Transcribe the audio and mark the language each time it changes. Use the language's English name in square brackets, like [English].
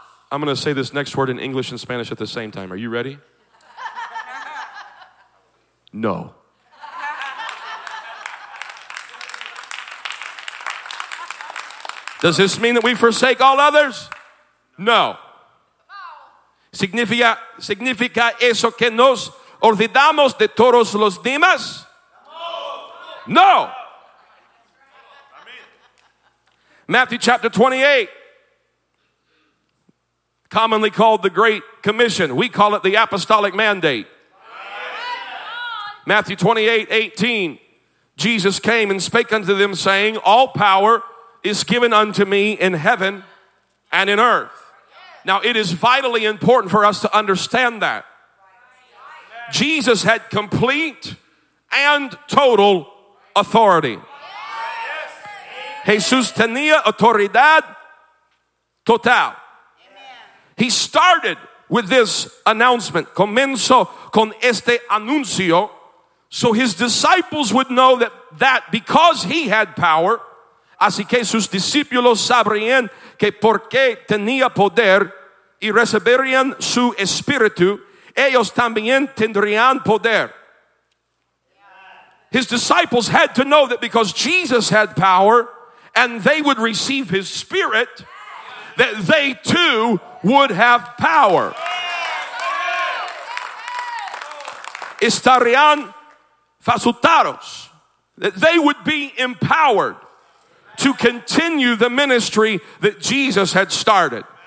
[English] I'm going to say this next word in English and Spanish at the same time. Are you ready? No. Does this mean that we forsake all others? No. [Spanish] ¿Significa eso que nos olvidamos de todos los demás? No. [English] Matthew chapter 28, commonly called the Great Commission. We call it the Apostolic Mandate. Matthew 28, 18, Jesus came and spake unto them, saying, all power is given unto me in heaven and in earth. Now, it is vitally important for us to understand that. Jesus had complete and total authority. [Spanish] Jesús tenía autoridad total. [English] He started with this announcement. [Spanish] Comenzó con este anuncio. [English] So his disciples would know that because he had power, [Spanish] Así que sus discípulos sabrían que porque tenía poder y recibirían su espíritu, ellos también tendrían poder. [English] His disciples had to know that because Jesus had power and they would receive his spirit, that they too would have power. [Spanish] Estarían facultados. [English] That they would be empowered to continue the ministry that Jesus had started.